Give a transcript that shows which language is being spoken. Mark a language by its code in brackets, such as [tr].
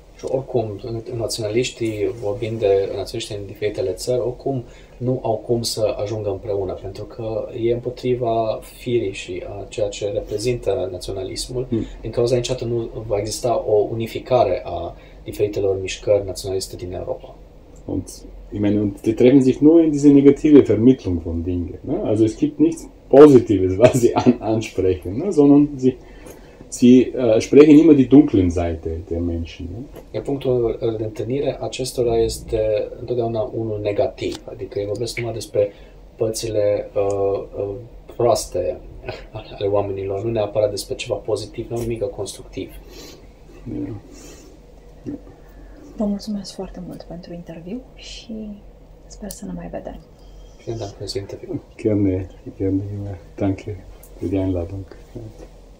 [ro] Și oricum, naționaliștii, vorbind de naționaliștii din diferitele țări, oricum nu au cum să ajungă împreună, pentru că e împotriva firii și a ceea ce reprezintă naționalismul. Din cauza niciodată nu va exista o unificare a diferitelor mișcări naționaliste din Europa. [de] Und ich meine, und die treffen sich nur in diese negative Vermittlung von Dingen, ne? Also es gibt nichts Positives, was sie ansprechen, ne? Sondern sie sprechen immer die dunklen Seite der Menschen, ne? [ro] Ja, punctul de întâlnire acestora este întotdeauna unul negativ, adică ei vorbesc numai despre părțile proaste ale oamenilor, nu neapărat despre ceva pozitiv, nu nimic constructiv. Vă mulțumesc foarte mult pentru interviu și sper să ne mai vedem. [de] Vielen Dank für das Interview. Gerne, gerne. Danke für die Einladung.